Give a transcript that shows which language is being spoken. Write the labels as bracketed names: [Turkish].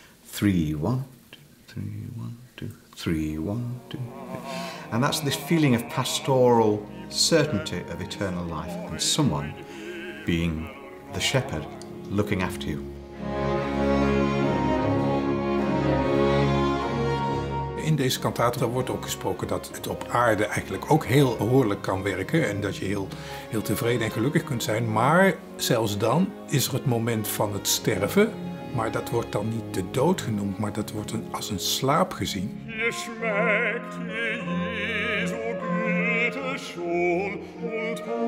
[English] 3-1-2, 3-1-2, 3-1-2. And that's this feeling of pastoral certainty of eternal life and someone being the shepherd looking after you. [Dutch] In deze cantata wordt ook gesproken dat het op aarde eigenlijk ook heel behoorlijk kan werken en dat je heel, heel tevreden en gelukkig kunt zijn. Maar zelfs dan is er het moment van het sterven, maar dat wordt dan niet de dood genoemd, maar dat wordt als een slaap gezien. [German] Je schmeckt je Jesu Güte schon und